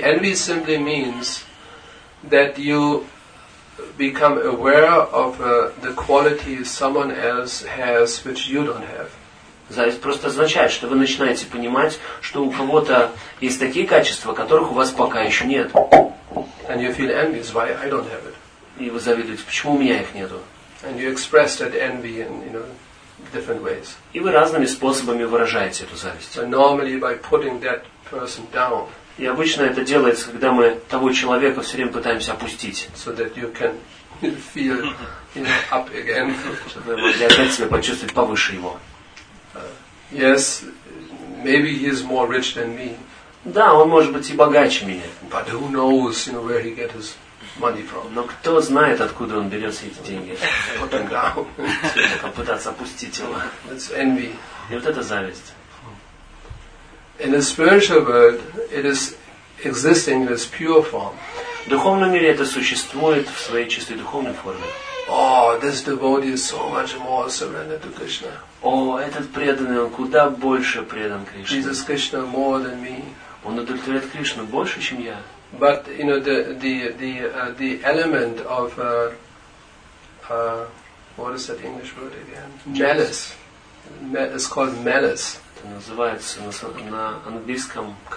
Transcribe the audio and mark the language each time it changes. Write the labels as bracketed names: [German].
[English] Envy simply means that you become aware of the quality someone else has which you don't have. [Russian] Зависть просто означает, что вы начинаете понимать, что у кого-то есть такие качества, которых у вас пока еще нет. [English] And you feel envious, why I don't have it. [Russian] И вы завидуете, почему у меня их нету. [English] And you express that envy in, you know, different ways. [Russian] И вы разными способами выражаете эту зависть. [English] And normally by putting that person down. [Russian] И обычно это делается, когда мы того человека все время пытаемся опустить. [English] So that you can feel, you know, up again. [Russian] Чтобы вы могли опять себя почувствовать повыше его. [English] Yes, maybe he is more rich than me. [Russian] Да, он может быть и богаче меня. [English] But who knows, you know, where he gets his money from? [Russian] Но кто знает, откуда он берет все эти деньги? [English] Put him down. [Russian] Попытаться опустить его. [English] That's envy. [Russian] И вот это зависть. [English] In the spiritual world, it is existing in its pure form. [Russian] В духовном мире это существует в своей чистой духовной форме. [English] Oh, this devotee is so much more surrendered to Krishna. [Russian] О, этот преданный, он куда больше предан Кришне. [English] Jesus Krishna more than me. [Russian] Он удовлетворяет Кришну больше, чем я. [English] But you know the element of what is that English word again? Malice. It's called malice. [Russian] Называется на английском